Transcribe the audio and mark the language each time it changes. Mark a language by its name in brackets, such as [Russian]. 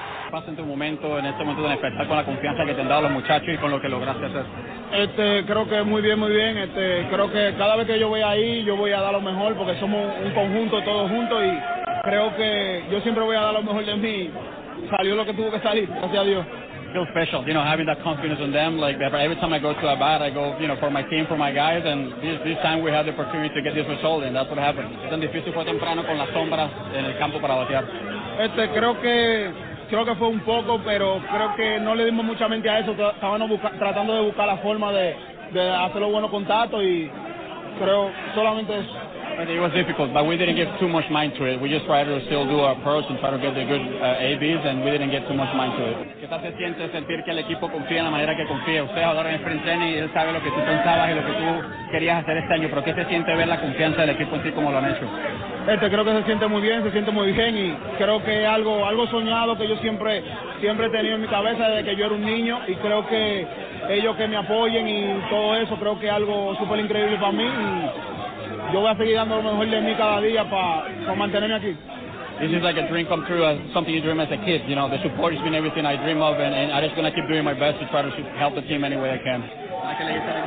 [Spanish] Pasa en tu momento, en este momento de despertar con la confianza que te han dado los muchachos y con lo que lograste hacer. Creo que muy bien, muy bien. Creo que cada vez que yo voy ahí, yo voy a dar lo mejor porque somos un conjunto, todos juntos, y creo que yo siempre voy a dar lo mejor de mí. Salió lo que tuvo que salir, gracias a Dios. [English] I feel special, you know, having that confidence in them. Like every time I go to a bat, I go, you know, for my team, for my guys, and this time we had the opportunity to get this result, and that's what happened. [Spanish] Es tan difícil, fue temprano con las sombras en el campo para batear. Creo que fue un poco, pero creo que no le dimos mucha mente a eso. Estábamos tratando de buscar la forma de hacer los buenos contactos, y creo solamente eso. [English] It was difficult, but we didn't give too much mind to it. We just tried to still do our approach and try to get the good ABs, and we didn't get too much mind to it. [Spanish] ¿Qué tal se siente sentir que el equipo confía en la manera que confía? Usted ahora en el sprint training, él sabe lo que tú pensabas y lo que tú querías hacer este año, pero ¿qué se siente ver la confianza del equipo en ti como lo han hecho? Creo que se siente muy bien, y creo que es algo soñado que yo siempre he tenido en mi cabeza desde que yo era un niño, y creo que ellos que me apoyen y todo eso, creo que es algo súper increíble para mí, y yo voy a seguir dando lo mejor de mí cada día para mantenerme aquí. [English] This is like a dream come true, something you dream as a kid. You know, the support has been everything I dream of, and I'm just going to keep doing my best to try to help the team any way I can.